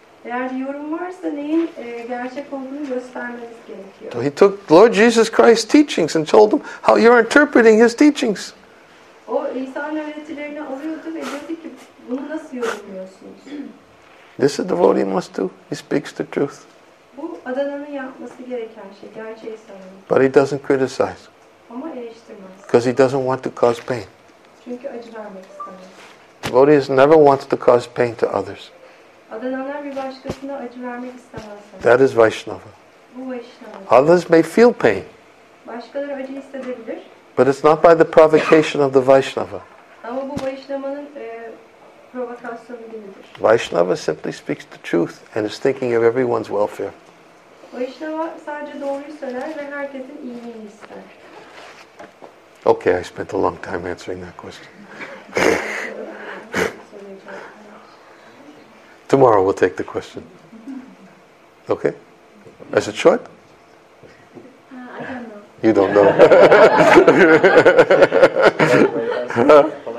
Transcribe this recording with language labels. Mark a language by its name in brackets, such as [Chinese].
[Turkish] Eğer yorum varsa neyin gerçek olduğunu göstermeniz gerekiyor. [English] So he took Lord Jesus Christ's teachings and told him how you're interpreting his teachings. [Turkish] O İsa'nın öğretilerini alıyordu ve dedi ki bunu nasıl yorumluyorsunuz? [English] This is the devotee must do. He speaks the truth. [Turkish] Bu adananın yapması gereken şey, gerçeği söylemek. [English] But he doesn't criticize. [Turkish] Ama eleştirmez. [English] Because he doesn't want to cause pain. [Turkish] Çünkü acı vermek istemez. [English] The devotee has never wanted to cause pain to others. That is Vaishnava. Others may feel pain. [Turkish] Başkaları acı hissedebilir. [English] But it's not by the provocation of the Vaishnava. [Turkish] Ama bu Vaishnava'nın provokasyonu değildir. [English] Vaishnava simply speaks the truth and is thinking of everyone's welfare. [Turkish] Vaishnava sadece doğruyu söyler ve herkesin iyiliğini ister. [English] Okay, I spent a long time answering that question. Tomorrow we'll take the question. Okay? Is it short? I don't know. You don't know.